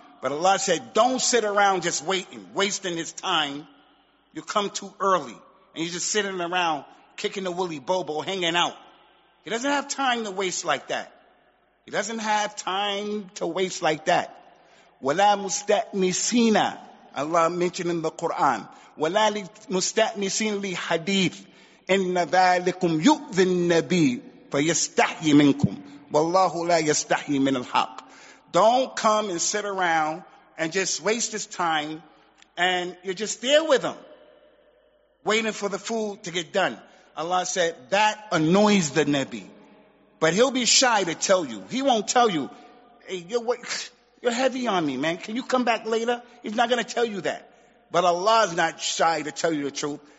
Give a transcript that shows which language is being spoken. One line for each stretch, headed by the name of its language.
English: But Allah said, don't sit around just waiting, wasting his time. You come too early. And you're just sitting around kicking the woolly bobo, hanging out. He doesn't have time to waste like that. He doesn't have time to waste like that.
Arabic: وَلَا مُسْتَأْنِسِينَ
English: Allah mentioned in the Quran.
Arabic: وَلَا مُسْتَأْنِسِينَ لِحَدِيثِ إِنَّ ذَلِكُمْ يُؤْذِ النَّبِيِّ فَيَسْتَحْيِ مِنْكُمْ وَاللَّهُ لَا يَسْتَحْيِ مِنَ الْحَقِّ
English: Don't come and sit around and just waste his time, and you're just there with him, waiting for the food to get done. Allah said, that annoys the Nabi. But he'll be shy to tell you. He won't tell you, hey, you're heavy on me, man. Can you come back later? He's not going to tell you that. But Allah is not shy to tell you the truth.